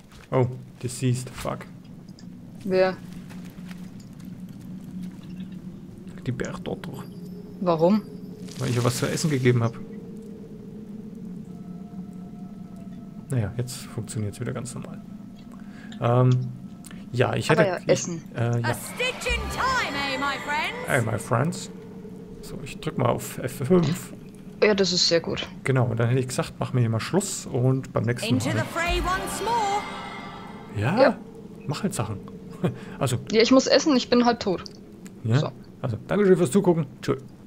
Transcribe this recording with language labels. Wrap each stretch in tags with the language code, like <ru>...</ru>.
<en>Oh, deceased. Fuck.</en> <de>Wer? Die Bergdotter. Warum? Weil ich ihr was zu essen gegeben habe. Naja, jetzt funktioniert es wieder ganz normal. Ja, ich hätte... Aber ja, Essen. Ja.</de> <en>A stitch in time, eh, my friends? Hey, my friends.</en> <de>So, ich drück mal auf F5. Ja, das ist sehr gut. Genau, und dann hätte ich gesagt, mach mir hier mal Schluss und beim nächsten Mal...</de> <en>Into the fray once more.</en> <de>Ja, ja, mach halt Sachen. Also. Ja, ich muss essen, ich bin halb tot. Ja? So. Also, danke schön fürs Zugucken. Tschö.</de>